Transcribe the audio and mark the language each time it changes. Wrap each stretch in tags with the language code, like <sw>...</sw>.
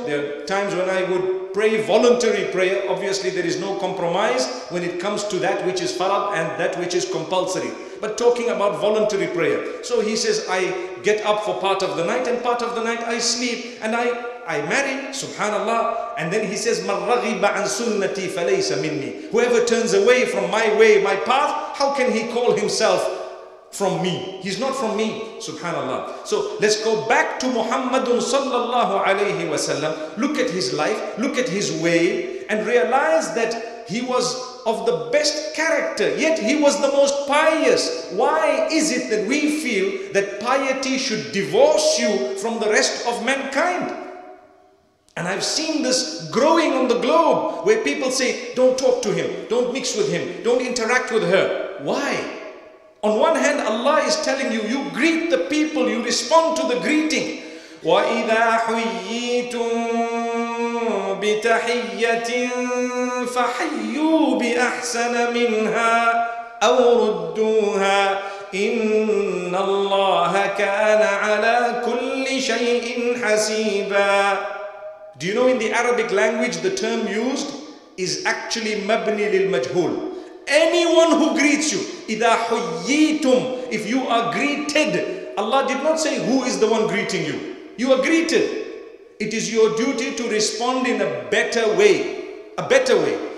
<en>There are times when I would pray voluntary prayer. Obviously, there is no compromise when it comes to that which is farad and that which is compulsory. But talking about voluntary prayer, so he says, I get up for part of the night and part of the night I sleep, and I marry, subhanallah.</en> <ar>And then he says, مَنْ رَغِبَ عَنْ سُنَّتِي فَلَيْسَ مِنِّي.</ar> <en>Whoever turns away from my way, my path, how can he call himself from me? He's not from me, subhanallah. So let's go back to Muhammadun sallallahu alayhi wa sallam. Look at his life, look at his way, and realize that he was of the best character, yet he was the most pious. Why is it that we feel that piety should divorce you from the rest of mankind? And I've seen this growing on the globe, where people say, don't talk to him, don't mix with him, don't interact with her. Why? On one hand, Allah is telling you, you greet the people, you respond to the greeting. وَإِذَا حُيِّيتُمْ</en> <ar>بتحية فحيوا بأحسن منها أو ردوها إن الله كان على كل شيء حسيبا.</ar> <en>Do you know in the Arabic language the term used is actually مبني للمجهول. Anyone who greets you, إذا حييتم, if you are greeted, Allah did not say who is the one greeting you. You are greeted. It is your duty to respond in a better way. A better way.</en>